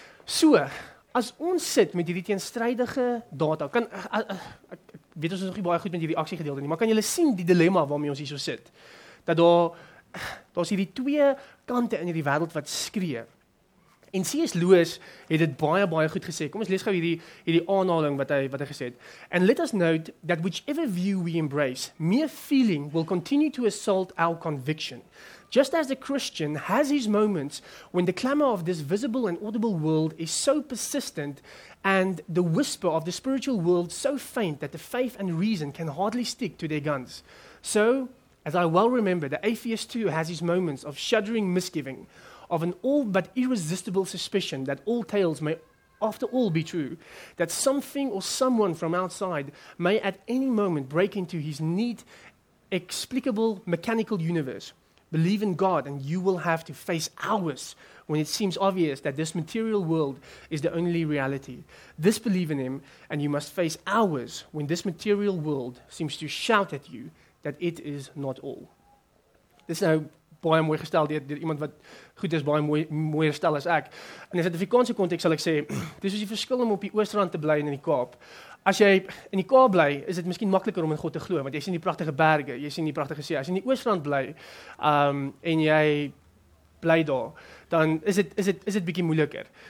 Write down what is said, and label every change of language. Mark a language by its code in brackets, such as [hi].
[af] So, as ons sit met hierdie teenstrydige data, kan ek weet ons is nog nie baie goed met hierdie aksiegedeelte nie, maar kan julle sien die dilemma waarmee ons hierso sit? Dat daar's hierdie twee kante in hierdie wêreld wat skree. En C.S. Lewis het dit baie, baie goed gesê. Kom, ons lees gou hierdie aanhaling wat hy gesê het. [en] "And let us note that whichever view we embrace, mere feeling will continue to assault our conviction. Just as the Christian has his moments when the clamor of this visible and audible world is so persistent and the whisper of the spiritual world so faint that the faith and reason can hardly stick to their guns. So, as I well remember, the atheist too has his moments of shuddering misgiving, of an all but irresistible suspicion that all tales may after all be true, that something or someone from outside may at any moment break into his neat, explicable, mechanical universe. Believe in God and you will have to face hours when it seems obvious that this material world is the only reality. Disbelieve in him and you must face hours when this material world seems to shout at you that it is not all." [af] Dis nou baie mooi gestel deur iemand wat goed is, baie mooi gestel as ek. En in 'n Suid-Afrikaanse konteks sal ek sê, dis soos die verskil om op die Oostrand te bly en in die Kaap. As jy in die Kaap bly, is dit miskien makliker om in God te glo, want jy sien die pragtige berge, jy sien die pragtige see. As jy in die Oostrand bly, en jy bly daar, dan is dit bietjie moeiliker.